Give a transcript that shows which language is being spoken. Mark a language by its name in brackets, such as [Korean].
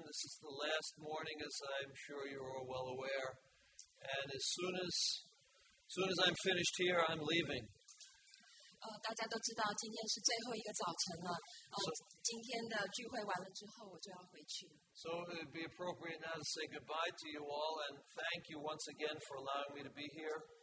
[English] This is the last morning, as I'm sure you are well aware. And as soon as I'm finished here, I'm leaving. [Chinese] 大家都知道今天是最后一个早晨了。今天的聚会完了之后，我就要回去。So [English] it would be appropriate now to say goodbye to you all and thank you once again for allowing me to be here.